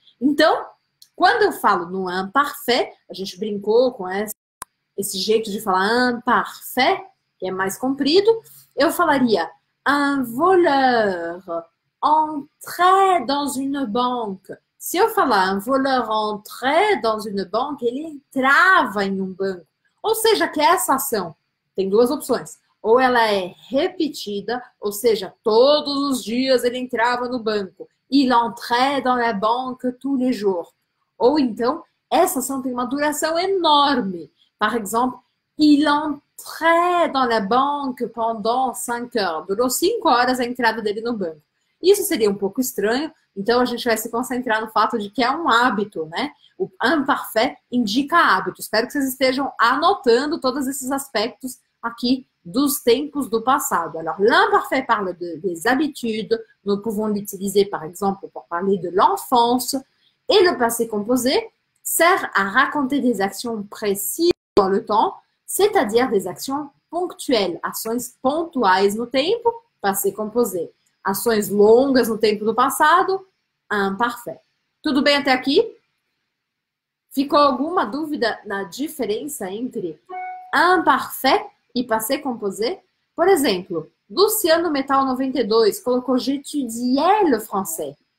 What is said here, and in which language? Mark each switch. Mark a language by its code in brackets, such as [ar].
[pt] Então, quando eu falo no un parfait, a gente brincou com esse jeito de falar un parfait, que é mais comprido, eu falaria [fr] un voleur entrait dans une banque. [pt] Se eu falar [fr] un voleur entrait dans une banque, [pt] ele entrava em um banco. Ou seja, que essa ação tem duas opções. Ou ela é repetida, ou seja, todos os dias ele entrava no banco. [fr] Il entrait dans la banque tous les jours. [pt] Ou então, essa ação tem uma duração enorme. [fr] Par exemple, il entrait dans la banque pendant 5 heures. [pt] Durou 5 horas a entrada dele no banco. Isso seria um pouco estranho, então a gente vai se concentrar no fato de que é um hábito, né? O imparfait indica hábito. Espero que vocês estejam anotando todos esses aspectos aqui dos tempos do passado. [fr] Alors, l'imparfait parle des habitudes. Nous pouvons l'utiliser, par exemple, pour parler de l'enfance. Et le passé composé sert à raconter des actions précises dans le temps, c'est-à-dire des actions ponctuelles, [pt] ações pontuais no tempo, [fr] passé composé. [pt] Ações longas no tempo do passado, imparfait. Tudo bem até aqui? Ficou alguma dúvida na diferença entre imparfait e passé composé? Por exemplo, Luciano Metal 92 colocou [fr] J'étudiais le français.